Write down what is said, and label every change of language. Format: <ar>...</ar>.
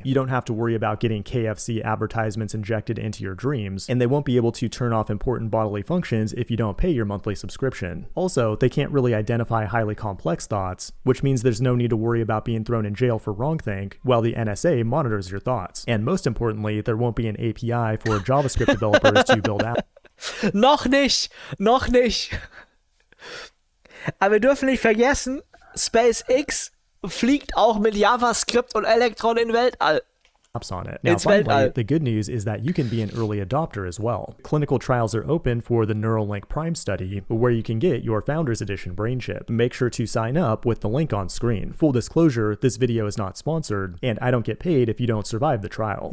<en>You don't have to worry about getting KFC advertisements injected into your dreams, and they won't be able to turn off important bodily functions if you don't pay your monthly subscription. Also, they can't really identify highly complex thoughts, which means there's no need to worry about being thrown in jail for wrongthink while the NSA monitors your thoughts. And most importantly, there won't be an API for JavaScript developers to build out.</en> <de>Noch nicht! Noch nicht! Aber wir dürfen nicht vergessen, SpaceX fliegt auch mit JavaScript und Electron in Weltall.</de> <en>On it. Now, finally, the good news is that you can be an early adopter as well. Clinical trials are open for the Neuralink Prime study, where you can get your Founders Edition brain chip. Make sure to sign up with the link on screen. Full disclosure, this video is not sponsored, and I don't get paid if you don't survive the trial.</en>